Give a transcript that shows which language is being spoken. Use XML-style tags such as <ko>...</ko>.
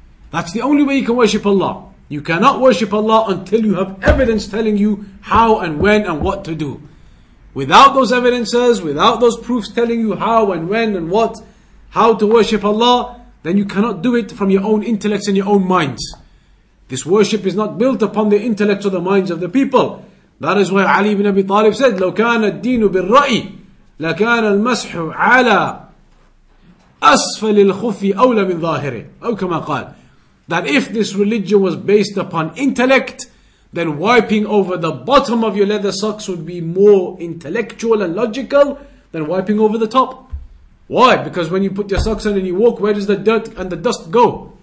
<en>That's the only way you can worship Allah. You cannot worship Allah until you have evidence telling you how and when and what to do. Without those evidences, without those proofs telling you how and when and what, how to worship Allah, then you cannot do it from your own intellects and your own minds. This worship is not built upon the intellects or the minds of the people.</en> <ar>That is why Ali ibn Abi Talib said, لو كان الدين بالرأي لكان المسح على أسفل الخف أولى من ظاهره.</ar> <en>أو كما قال, that if this religion was based upon intellect, then wiping over the bottom of your leather socks would be more intellectual and logical than wiping over the top. Why? Because when you put your socks on and you walk, where does the dirt and the dust go?</en>